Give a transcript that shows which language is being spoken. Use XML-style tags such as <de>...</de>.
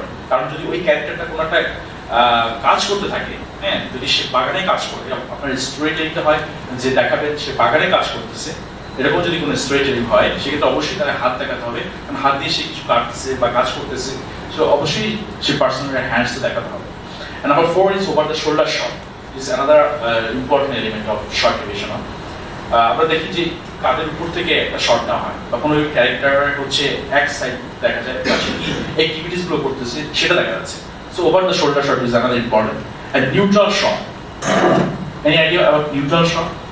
<bn>কারণ যদি ওই ক্যারেক্টারটা কোন একটা কাজ করতে থাকে, হ্যাঁ, যদি সে বাগানে কাজ করে, আপনার স্টোরি টেলিং হয় যে দেখাবেন সে বাগানে কাজ করতেছে, এরকম যদি কোনো স্টোরি টেলিং হয় সেক্ষেত্রে অবশ্যই তার হাত দেখাতে হবে, কারণ হাত দিয়ে সে কিছু কাটতেছে বা কাজ করতেছে, সো অবশ্যই সে পার্সনের হ্যান্ডস দেখাতে হবে।</bn> <en>And number four is over the shoulder shot. This is another important element of shot division.</en> <bn>আমরা দেখি যে কাদের উপর থেকে একটা শট নেওয়া হয় বা কোনো ক্যারেক্টার হচ্ছে এক সাইড দেখা যায় বা সে কি অ্যাক্টিভিটিসগুলো করতেছে সেটা দেখা যাচ্ছে।</bn> <en>So over the shoulder shot is another important. And neutral shot, any idea about neutral shot?</en>